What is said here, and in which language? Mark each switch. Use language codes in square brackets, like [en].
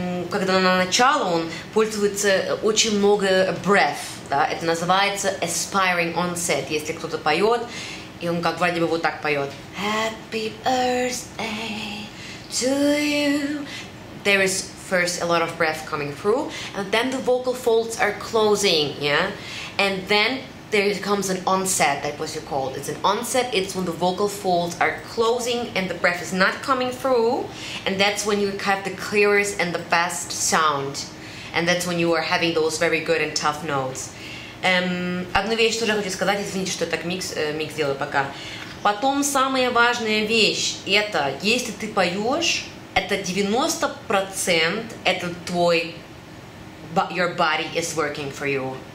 [ru] Когда на начало он пользуется очень много breath, да, это называется aspiring onset, если кто-то поет, и он как вроде бы вот так поет. [en] Happy birthday to you. There is first a lot of breath coming through, and then the vocal folds are closing, yeah? And then there comes an onset, that was you called. It's an onset, it's when the vocal folds are closing and the breath is not coming through, and that's when you have the clearest and the best sound. And that's when you are having those very good and tough notes. [ru] Одну вещь тоже хочу сказать, извините, что я так микс делаю пока. Потом самая важная вещь, это если ты поешь, это 90% это твой, your body is working for you.